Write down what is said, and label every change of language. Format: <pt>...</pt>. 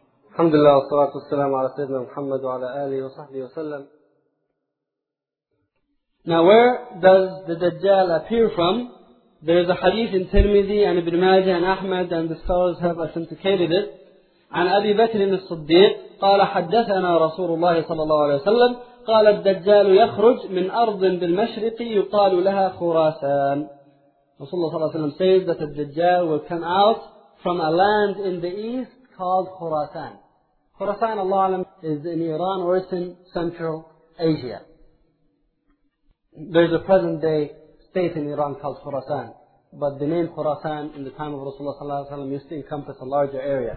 <ar>الحمد لله والصلاة والسلام على سيدنا محمد وعلى آله وصحبه وسلم.</ar> <en>Now where does the Dajjal appear from? There is a hadith in Tirmidhi and Ibn Majah and Ahmad, and the scholars have authenticated it.</en> <ar>عن أبي بكر الصديق قال حدثنا رسول الله صلى الله عليه وسلم قال الدجال يخرج من أرض بالمشرق يقال لها خراسان.</ar> <en>رسول الله صلى الله عليه وسلم says that the Dajjal will come out from a land in the east called Khurasan. Khurasan, Allah Alam, is in Iran or it's in Central Asia. There's a present day state in Iran called Khurasan, but the name Khurasan in the time of Rasulullah Sallallahu Alaihi Wasallam used to encompass a larger area.</en>